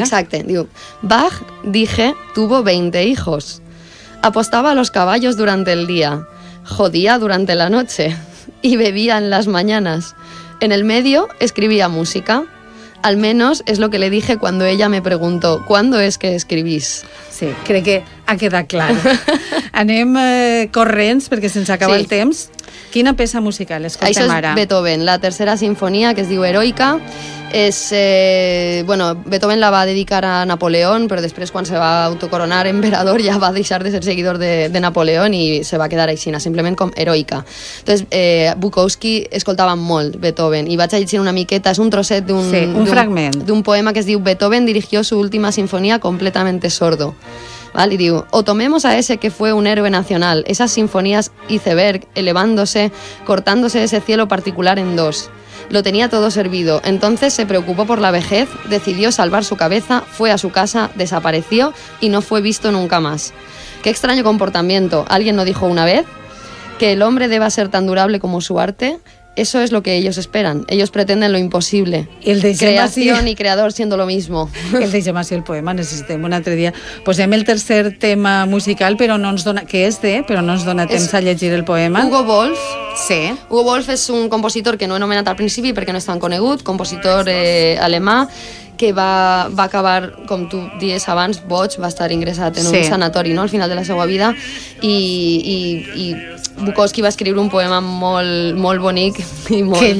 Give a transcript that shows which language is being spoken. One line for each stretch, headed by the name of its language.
Spanish: Exacte, diu Bach, dije, tuvo 20 hijos. Apostaba a los caballos durante el día, jodía durante la noche y bebía en las mañanas. En el medio escribía música. Al menos es lo que le dije cuando ella me preguntó, ¿cuándo es que escribís?
Catalan: Sí, crec que ha quedat clar. Anem corrents perquè se'ns acaba, sí, el temps. Quina peça musical escoltem ara? Això és ara? Beethoven, la tercera sinfonia, que es diu Heroica. És, bueno, Beethoven la va dedicar a Napoleón, però després quan se va autocoronar emperador ja va deixar de ser seguidor de Napoleón i se va quedar aixina, simplement com Heroica. Entonces, Bukowski escoltava molt Beethoven i vaig llegir una miqueta, és un trosset d'un poema que es diu
Spanish: Beethoven dirigió su última sinfonia completamente sordo. ¿Vale? Y digo, o tomemos a ese que fue un héroe nacional, esas sinfonías iceberg elevándose, cortándose ese cielo particular en dos. Lo tenía todo servido, entonces se preocupó por la vejez, decidió salvar su cabeza, fue a su casa, desapareció y no fue visto nunca más. Qué extraño comportamiento, alguien no dijo una vez que el hombre deba ser tan durable como su arte, Eso es lo que ellos esperan. Ellos pretenden lo imposible. El de creación y creador siendo lo mismo.
Catalan: El de Gemasi, el poema, necessitem un altre dia. Posem el tercer tema musical, però no ens dona, que és de, però no ens dona temps a llegir el poema. Hugo Wolf. Sí. Hugo Wolf és un compositor que no he nomenat al principi perquè no és tan conegut, compositor alemà, que va acabar, com tu dies abans, boig, va estar ingressat en un sanatori, no?, al final de la seva vida, i Bukowski va escriure un poema molt, molt bonic i molt divertit.